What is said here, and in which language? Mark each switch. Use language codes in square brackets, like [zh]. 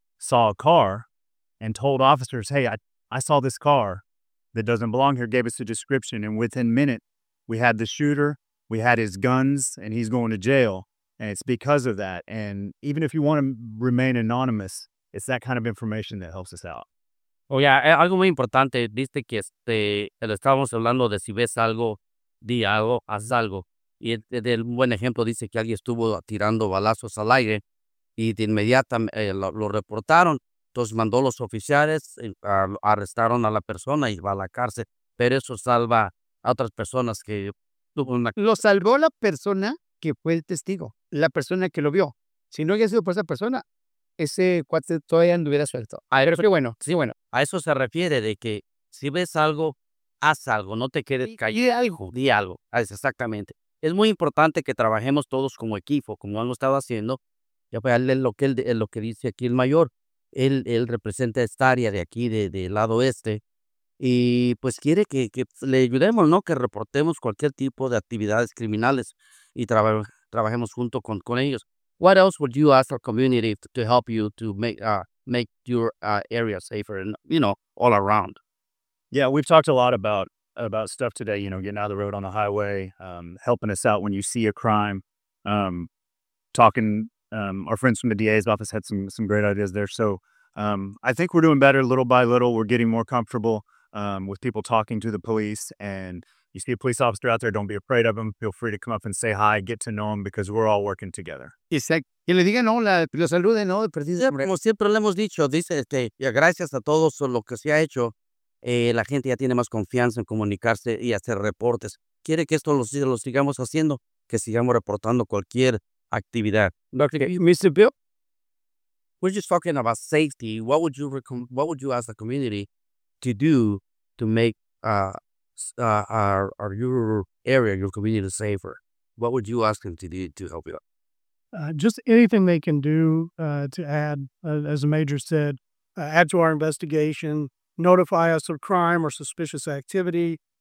[en] saw a car and told officers, hey, I saw this car that doesn't belong here, gave us a description. And within minutes, we had the shooter, we had his guns, and he's going to jail. And it's because of that. And even if you want to remain anonymous, it's that kind of information that helps us out. Oh, yeah. [es] Algo muy importante. Viste que estábamos hablando de si ves algo, di algo, haz algo. Y el buen ejemplo dice que alguien estuvo tirando balazos al aire y de inmediato lo reportaron. Entonces mandó a los oficiales, arrestaron a la persona y va a la cárcel. Pero eso salva a otras personas que tuvo una... Lo salvó la persona que fue el testigo, la persona que lo vio. Si no hubiera sido por esa persona, ese cuate todavía no hubiera suelto. A ver, pero bueno. Sí, bueno. A eso se refiere de que si ves algo, haz algo, no te quedes callado. Di algo. Di algo. Exactamente. Es muy importante que trabajemos todos como equipo, como han estado haciendo. Ya voy a leer lo que dice aquí el mayor. Él representa esta área de aquí, de lado este. Y pues quiere que le ayudemos, ¿no? Que reportemos cualquier tipo de actividades criminales y trabajemos junto con ellos. [en] What else would you ask our community to help you to make your area safer and, you know, all around? Yeah, we've talked a lot about stuff today, you know, getting out of the road on the highway, helping us out when you see a crime, talking, our friends from the DA's office had some great ideas there. So I think we're doing better little by little. We're getting more comfortable with people talking to the police. And you see a police officer out there, don't be afraid of them. Feel free to come up and say hi, get to know them, because we're all working together. [es] Y le digan hola, lo saluden, hola, precisamente. Como siempre le hemos dicho, dice, gracias a todos por lo que se ha hecho. La gente ya tiene más confianza en comunicarse y hacer reportes. Quiere que esto lo sigamos haciendo, que sigamos reportando cualquier actividad. [en] Okay. Mr. Bill? We're just talking about safety. What would you what would you ask the community to do to make your area, your community safer? What would you ask them to do to help you out? Just anything they can do to add, as the major said, add to our investigation, notify us of crime or suspicious activity.